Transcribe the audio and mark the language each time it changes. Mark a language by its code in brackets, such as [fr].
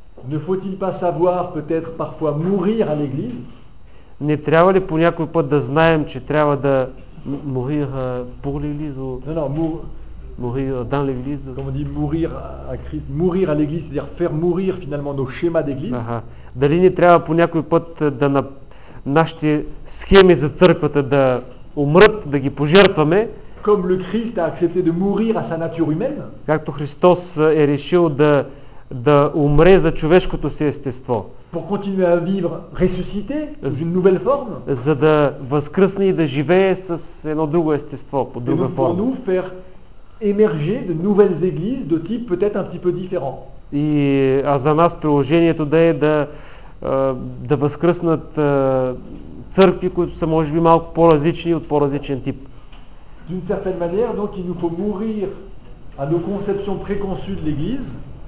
[fr] Ne faut-il pas savoir peut-être parfois mourir à l'église? [bg] Не трябва ли по някой път да знаем, че трябва да [fr] mourir pour l'église? Mourir dans l'église. Comme on dit mourir à Christ, mourir à l'église, c'est-à-dire faire mourir finalement nos schémas d'église. [bg] Дали не трябва по някой път да на нашите схеми за църквата да умрат, да ги пожертваме? [fr] Comme le Christ a accepté de mourir à sa nature humaine. [bg] Както Христос е решил да умре за човешкото си естество. [fr] Pour continuer à vivre ressuscité sous une nouvelle forme. [bg] За да възкръсне и да живее с едно друго естество, по друга форма. [fr] Pour nous faire émerger de nouvelles églises de type peut-être un petit peu différent. [bg] И а за нас приложението да е да възкръснат църкви, които са може би малко по-различни от по-различен тип. [fr] D'une certaine manière, donc il nous faut mourir à nos conceptions préconçues de l'église.